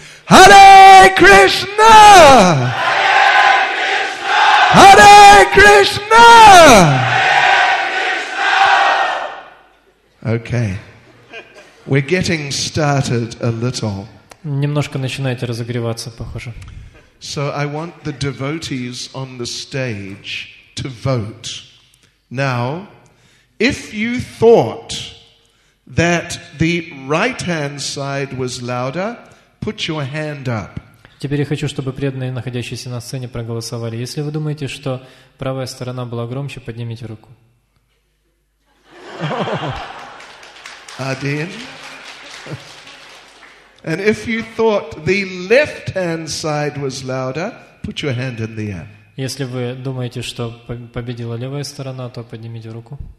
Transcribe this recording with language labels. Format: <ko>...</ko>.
<en>Hare Krishna. Hare Krishna. Okay. We're getting started a little.</en> <ru>Немножко начинаете разогреваться, похоже.</ru> <en>So I want the devotees on the stage to vote. Now, if you thought that the right-hand side was louder, put your hand up.</en> <ru>Теперь я хочу, чтобы преданные, находящиеся на сцене, проголосовали. Если вы думаете, что правая сторона была громче, поднимите руку. Один.</ru> <en>And if you thought the left-hand side was louder, put your hand in the air.</en> <ru>Если вы думаете, что победила левая сторона, то поднимите руку.</ru>